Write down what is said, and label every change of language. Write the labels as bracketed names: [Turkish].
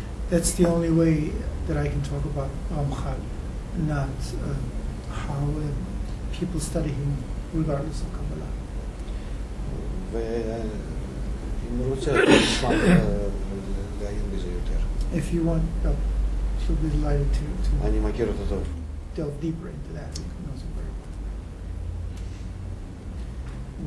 [English] That's the only way that I can talk about רמח"ל, not how people study him regardless of Kabbalah. [Hebrew] ואם רוצה, אני אשמח לעיין בזה יותר. [English] If you want, to be delighted to... [Hebrew] אני מכיר אותו טוב. [English] Delve deeper into that, he knows it very well.